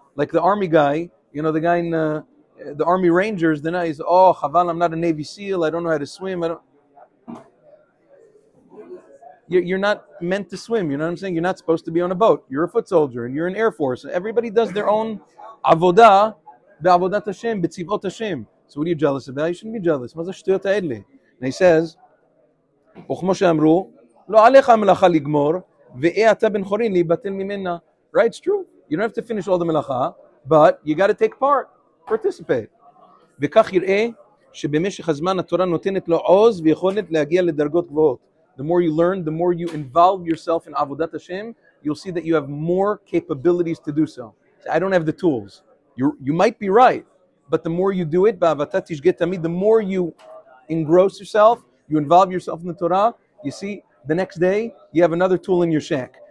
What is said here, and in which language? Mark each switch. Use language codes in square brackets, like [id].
[en] Like the army guy, you know, the guy in the army rangers, the guy is, oh, chaval, I'm not a Navy SEAL, I don't know how to swim, I don't... You're not meant to swim, you know what I'm saying? You're not supposed to be on a boat. You're a foot soldier and you're in Air Force. Everybody does their own avodah, [he] be'avodat Hashem, be'tzivot Hashem. [en] So what are you jealous about? You shouldn't be jealous. What's the shtuyot ha'edli? And he says, [he] וכמו שאמרו, לא עליך המלאכה לגמור, ואי אתה בן חורין להיבטל ממנה. [en] Right, it's true. You don't have to finish all the מלאכה, but you got to take part, participate. [he] וכך יראה שבמשך הזמן התורה נותנת לו עוז ויכולת להגיע לדרגות גבוהות. [en] The more you learn, the more you involve yourself in Avodat Hashem, you'll see that you have more capabilities to do so. So I don't have the tools. You might be right, but the more you do it, [he] ba'avatat tishgeh tamid, [en] the more you engross yourself, you involve yourself in the Torah, you see, the next day, you have another tool in your shack.